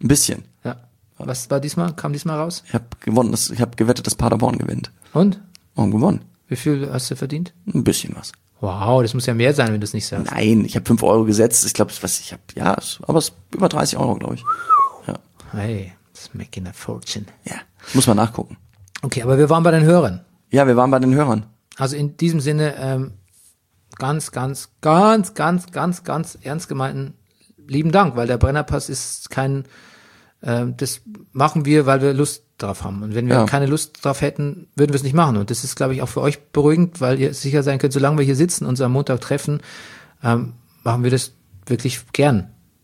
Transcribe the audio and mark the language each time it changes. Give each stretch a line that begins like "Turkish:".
German: Ein bisschen. Ja. Was war diesmal, kam diesmal raus? Ich hab gewonnen, ich hab gewettet, dass Paderborn gewinnt. Und gewonnen. Wie viel hast du verdient? Ein bisschen was. Wow, das muss ja mehr sein, wenn du es nicht sagst. Nein, ich habe 5 Euro gesetzt. Ich glaube, aber es ist über 30 Euro, glaube ich. Ja.
English: Hey, it's making a fortune.
German: Ja, muss man nachgucken. Okay, aber wir waren bei den Hörern. Ja, wir waren bei den Hörern. Also in diesem Sinne, ganz, ganz, ganz, ganz, ganz, ganz ernst gemeinten lieben Dank, weil der Brennerpass ist kein, das machen wir, weil wir Lust drauf haben. Und wenn wir keine Lust drauf hätten, würden wir es nicht machen. Und das ist, glaube ich, auch für euch beruhigend, weil ihr sicher sein könnt, solange wir hier sitzen und uns am Montag treffen, machen wir das wirklich gern.